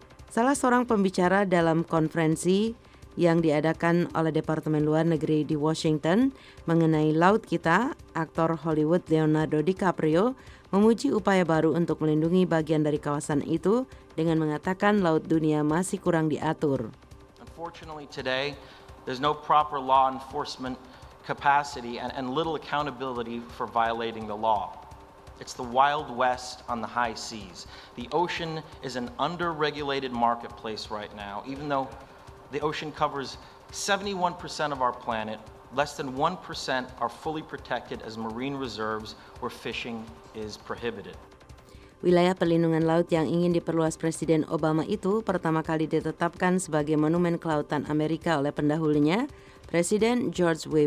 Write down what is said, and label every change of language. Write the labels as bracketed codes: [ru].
[id] Salah seorang pembicara dalam konferensi yang diadakan oleh Departemen Luar Negeri di Washington mengenai laut kita, aktor Hollywood Leonardo DiCaprio, memuji upaya baru untuk melindungi bagian dari kawasan itu dengan mengatakan laut dunia masih kurang diatur. [en] Unfortunately today, there's no proper law enforcement capacity and little accountability for violating the law. It's the Wild West on the high seas. The ocean is an under-regulated marketplace right now, even though the ocean covers 71% of our planet. Less than 1% are fully protected as marine reserves where fishing is prohibited. [id] Wilayah perlindungan laut yang ingin diperluas Presiden Obama itu pertama kali ditetapkan sebagai Monumen Kelautan Amerika oleh pendahulunya, Presiden George W.